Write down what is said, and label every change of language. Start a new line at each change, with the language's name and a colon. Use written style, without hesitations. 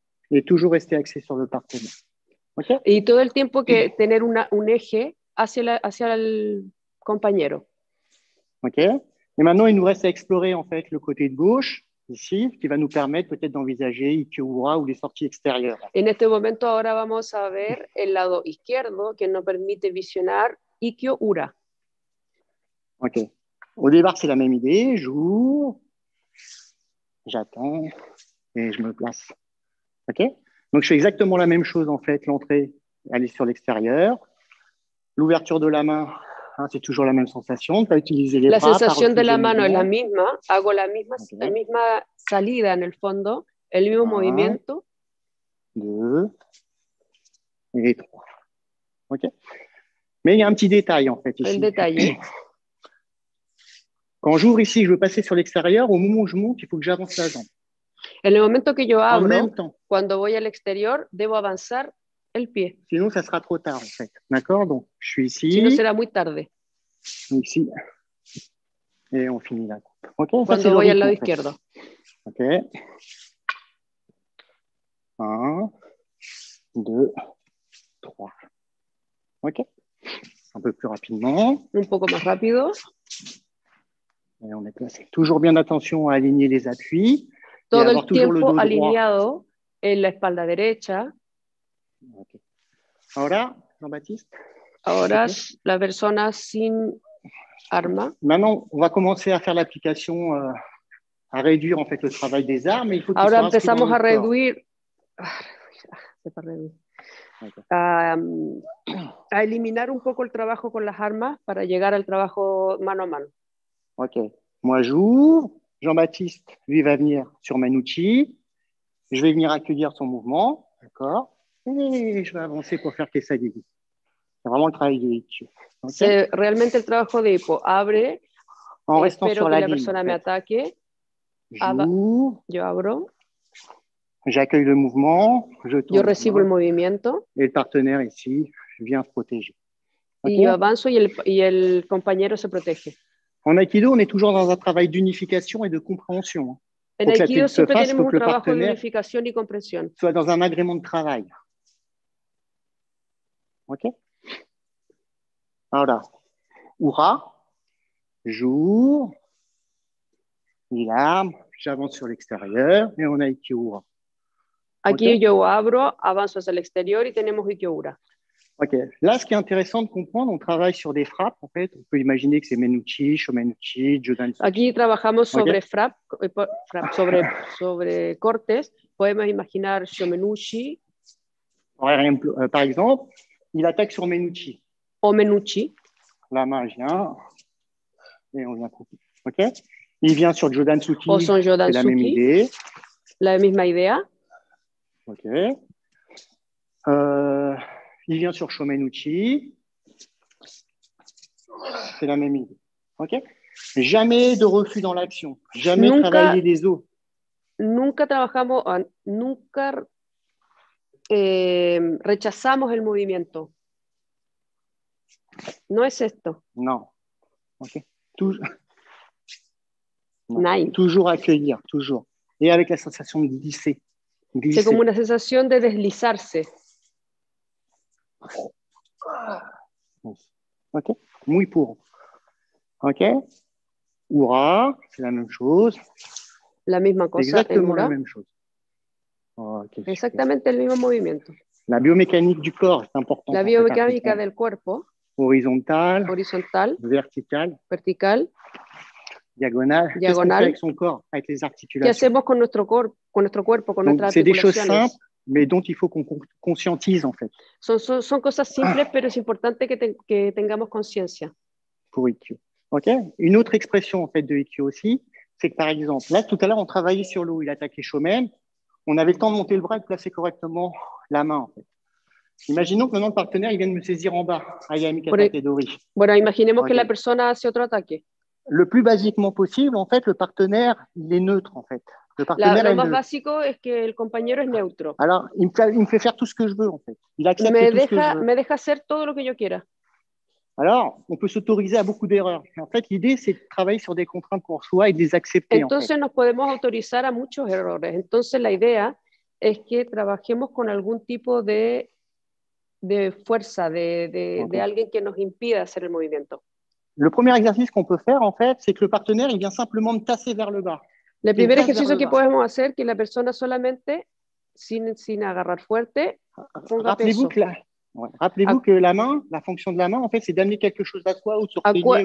French: Et toujours rester axé sur le partenaire.
Spanish: Okay. Y todo el tiempo que tener un eje hacia el compañero. Ok.
French: Et maintenant, il nous reste à explorer en fait le côté de gauche, ici, qui va nous permettre peut-être d'envisager Ikkyura ou les sorties extérieures.
Spanish: En este momento, ahora vamos a ver el lado izquierdo que nos permite visionar Ikkyura. Ok.
French: Au départ, c'est la même idée. J'ouvre, j'attends et je me place. Ok. Donc, je fais exactement la même chose, en fait. L'entrée, elle est sur l'extérieur. L'ouverture de la main, hein, c'est toujours la même sensation. Tu as utilisé les la bras. La sensation de la main est la même.
Spanish: Hago la misma, okay. La misma salida, en el fondo. El mismo movimiento.
French: Deux. Et trois. OK. Mais il y a un petit détail, en fait, ici. Un détail. Quand j'ouvre ici, je veux passer sur l'extérieur. Au moment où je monte, il faut que j'avance la jambe.
Spanish: En el momento que yo abro, cuando voy al exterior, debo avanzar el pie.
French: Sinon, ça sera trop tard, en fait. D'accord? Donc, je suis ici.
Spanish: Sinon, será muy tarde.
French: Ici. Et on finit la coupe. Ok?
Spanish: Cuando
French: ça, c'est
Spanish: voy rico, al lado izquierdo. Ok.
French: Un, deux, trois. Ok? Un peu plus rapidement.
Spanish: Un poco más rápido.
French: Et on est placé. Toujours bien attention à aligner les appuis.
Spanish: Todo el tiempo alineado en la espalda derecha. Okay. Ahora, Jean-Baptiste. Ahora, okay. La persona sin arma.
French: Maintenant, on va commencer à faire l'application, à réduire en fait le travail des armes. Il faut
Spanish: ahora empezamos a
French: réduire. C'est pas réduire.
Spanish: A eliminar un poco el trabajo con las armas para llegar al trabajo mano a mano.
French: Ok. Moi, j'ouvre. Jean-Baptiste, lui, va venir sur Manucci. Je vais venir accueillir son mouvement. D'accord. Et je vais avancer pour faire Kesagiri. C'est vraiment le travail de Ikkyo. Okay. C'est réellement le travail de Ikkyo.
Spanish: Abre.
French: En restant sur la ligne. La personne m'attaque. J'ouvre.
Spanish: Je abro.
French: J'accueille le mouvement. Je tourne. Je
Spanish: recibo
French: le mouvement. Et le partenaire ici vient se protéger. Okay. Et je avance et le compagnon se protège. En Aïkido, on est toujours dans un travail d'unification et de compréhension. En Aïkido, on a toujours un travail d'unification et compréhension. Soit dans un agrément de travail. OK? Voilà. Oura. Jour. Il arme. J'avance sur l'extérieur. Et on a Ikkyura.
Spanish: Aquí okay? Yo abro, avanzo hacia el exterior y tenemos Ikkyura. Ok.
French: Là, ce qui est intéressant de comprendre, on travaille sur des frappes, en fait. On peut imaginer que c'est Menuchi, Shomenuchi, Jodan.
Spanish: Aquí trabajamos sobre okay. sobre cortes. Podemos imaginar Shomenuchi.
French: Par exemple, il attaque sur Menuchi.
Spanish: O Menuchi.
French: La main vient. Et on vient couper. Ok. Il vient sur Jodan Tsuki.
Spanish: O son Jodan Tsuki.
French: La même idée.
Spanish: La misma idea. Ok.
French: Il vient sur Shomenuchi. C'est la même idée. OK? Jamais de refus dans l'action. Jamais
Spanish: nunca,
French: travailler les os.
Spanish: Nunca trabajamos, nunca rechazamos el movimiento. No es esto.
French: Non. OK. Toujours accueillir, toujours. Et avec la sensation de glisser. C'est comme une sensation de
Spanish: deslizarse. Ok, muy pour.
French: Ok, Oura, c'est la même chose.
Spanish: La misma cosa.
French: Exactement la même chose. Okay.
Spanish: Exactamente el mismo movimiento.
French: La biomécanique du corps est importante.
Spanish: La biomécanique del cuerpo.
French: Horizontal.
Spanish: Horizontal.
French: Vertical.
Spanish: Vertical.
French: Diagonal.
Spanish: Diagonal.
French: Avec son corps, avec les articulations.
Spanish: ¿Qué hacemos con nuestro cuerpo, con nuestras articulaciones?
French: C'est des choses simples, mais dont il faut qu'on conscientise en fait.
Spanish: Son cosas simples, pero es importante que tengamos conciencia.
French: Pour IQ. Ok. Une autre expression en fait de IQ aussi, c'est que par exemple, là tout à l'heure on travaillait sur l'eau, il attaquait Chomène. On avait le temps de monter le bras et de placer correctement la main. En fait. Imaginons que maintenant le partenaire il vient de me saisir en bas. Ayami Katake Dori.
Spanish: Bueno, imaginemos okay. que la persona hace otro ataque.
French: Le plus basiquement possible, en fait, le partenaire il est neutre en fait. Le partenaire est neutre.
Spanish: Lo más básico es que el compañero es neutro.
French: Alors, il me fait faire tout ce que je veux en fait. Il accepte tout ce que je veux.
Spanish: Me deja hacer todo lo que yo quiera.
French: Alors, on peut s'autoriser à beaucoup d'erreurs. En fait, l'idée, c'est de travailler sur des contraintes pour soi et de les accepter.
Spanish: Entonces,
French: en fait.
Spanish: Nos podemos autorizar a muchos errores. Entonces, la idea es que trabajemos con algún tipo de fuerza, de alguien que nos impida hacer el movimiento.
French: Le premier exercice qu'on peut faire, en fait, c'est que le partenaire, il vient simplement me tasser vers le bas.
Spanish: Le primer ejercicio que podemos hacer es que la persona solamente, sin agarrar fuerte, ponga peso. Ouais.
French: Rappelez-vous que la main, la fonction de la main, en fait, c'est d'amener quelque chose à soi ou sur tes liens.